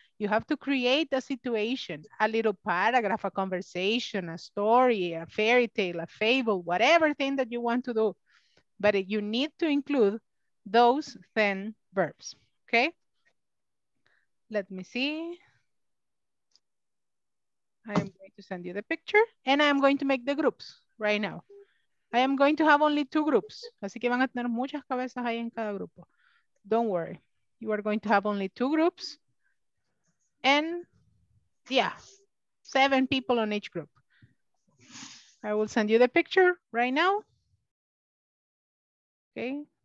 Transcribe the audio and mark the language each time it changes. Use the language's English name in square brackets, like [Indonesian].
[English] You have to create a situation, a little paragraph, a conversation, a story, a fairy tale, a fable, whatever thing that you want to do. But you need to include those 10 verbs, okay? Let me see. I am going to send you the picture and I am going to make the groups right now. I am going to have only 2 groups. [Spanish] Así que van a tener muchas cabezas ahí en cada grupo. [English] Don't worry. You are going to have only 2 groups and yeah, 7 people on each group. I will send you the picture right now. Okay.